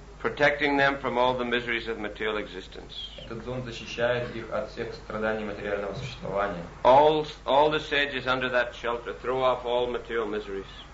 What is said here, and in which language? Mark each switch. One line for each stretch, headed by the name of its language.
English: protecting them from all the miseries of material existence.
Russian: Этот зонт защищает их от всех страданий материального существования.
English: All the sages under that shelter throw off all material miseries.